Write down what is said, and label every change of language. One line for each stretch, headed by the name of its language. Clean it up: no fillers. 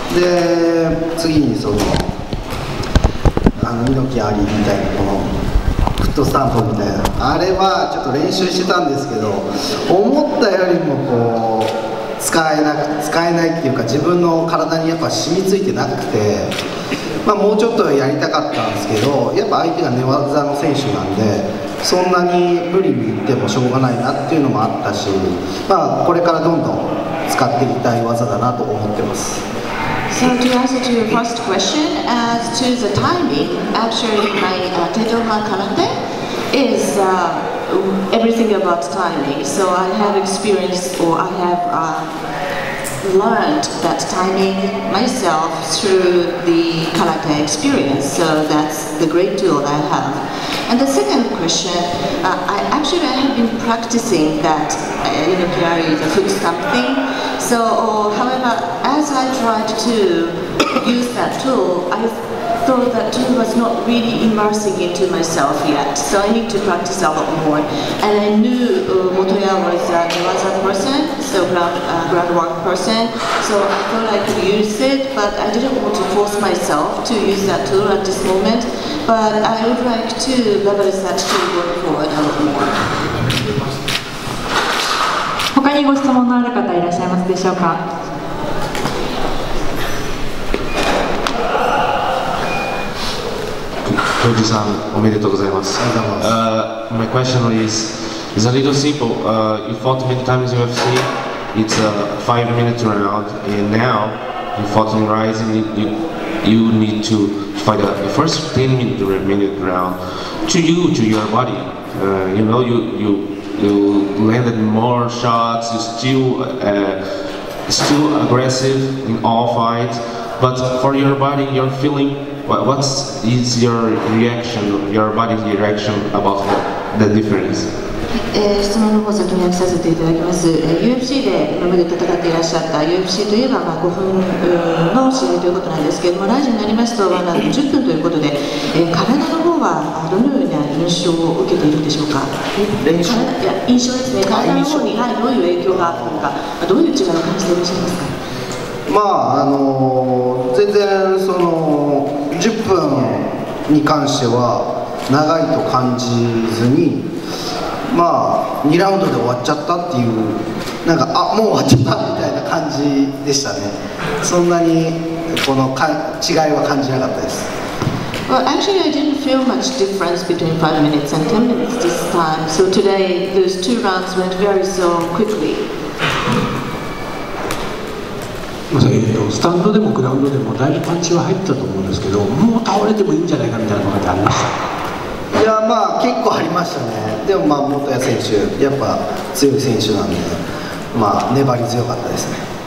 Japanese: で、次にその猪木アリみたいなこのフットスタンプみたいな、あれはちょっと練習してたんですけど、思ったよりもこう使えないっていうか、自分の体にやっぱ染み付いてなくて、まあ、もうちょっとやりたかったんですけど、やっぱ相手が寝技の選手なんで、そんなに無理に言ってもしょうがないなっていうのもあったし、まあ、これからどんどん使っていきたい技だなと思ってます。
English: So to answer to your first question, as to the timing, actually my Tetoha Karate is everything about timing. So I have experienced, or I have learned that timing myself through the Karate experience. So that's the great tool I have. And the second question, I have been practicing that Inoki Ari, the foot stomp thing. So, however, as I tried to use that tool, I thought that tool was not really immersing into myself yet. So I need to practice a lot more. And I knew Motoya was a Niwaza person, so groundwork person. So I thought I could use it, but I didn't want to force myself to use that tool at this moment. But I would like to leverage that tool going forward a lot more.
Japanese: 他にご質問のある方いらっしゃいますでしょうか。 Kyoji san, omedetou gozaimasu.
English: My question is a little simple. You fought many times in UFC. It's a 5-minute round, and now you fought in Rizin. You need to fight the first 10-minute round. To your body, you know, you landed more shots. You still aggressive in all fights, but for your body, you're feeling. What is your reaction, your body's reaction about the difference?
Japanese: 質問の方を先にさせていただきます。UFC で今まで戦っていらっしゃった UFC といえば5分の試合ということなんですけれども、ライジンになりますと10分ということで、体の方はどのような印象を受けているんでしょうか。印象ですね。体の方にどういう影響があったのか、どういう違いを感じていらっしゃいますか。まあ全然その10分に関しては長いと感じずに、まあ、2ラウンドで終わっちゃったっていう、なんか、あ、もう終わっちゃったみたいな感じでしたね。そんなに、違いは感じなかったです。
English: Well, actually, I didn't feel much difference between 5 minutes and 10 minutes this time. So today, those two rounds went very so quickly.
Japanese: スタンドでもグラウンドでもだいぶパンチは入ったと思うんですけど、もう倒れてもいいんじゃないかみたいなことってありました。いやまあ結構ありましたね。でもまあ元谷選手やっぱ強い選手なんで、まあ粘り強かったですね。